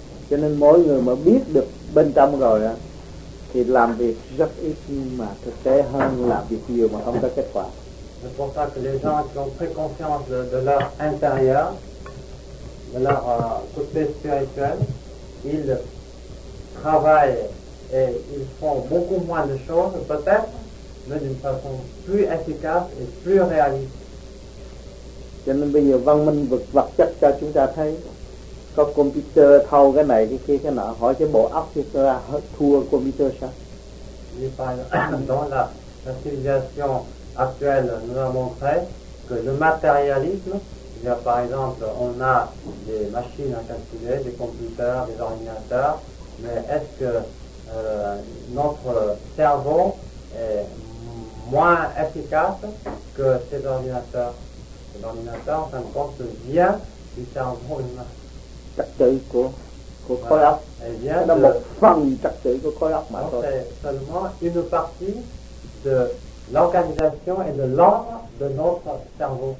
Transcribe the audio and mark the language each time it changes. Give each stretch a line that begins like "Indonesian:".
Vietnamese: Cho nên mỗi người mà biết được bên trong rồi á, thì làm việc rất ít nhưng mà thực tế hơn làm việc nhiều mà không có kết quả.
French: C'est pour ça que les gens qui ont pris conscience de leur intérieur, de leur côté spirituel, ils travaillent et ils font beaucoup moins de choses peut-être, mais d'une façon plus efficace et plus réaliste.
Vietnamese: Cho nên bây giờ văn minh vật chất cho chúng ta thấy có computer thâu cái này cái kia cái nọ, hỏi cái bộ óc thì ta thua computer sao? Như vậy,
French: dans la civilisation actuelle, nous a montré que le matérialisme, il y a par exemple, on a des machines à calculer, des computers, des ordinateurs, mais est-ce que notre cerveau est moins efficace que ces ordinateurs? L'ordinateur, ça compte bien du cerveau humain.
Vietnamese: Trật tự của khối óc.
French: C'est
Vietnamese: một phần trật tự của khối óc mà thôi.
French: C'est seulement une partie de l'organisation et de l'ordre de notre cerveau.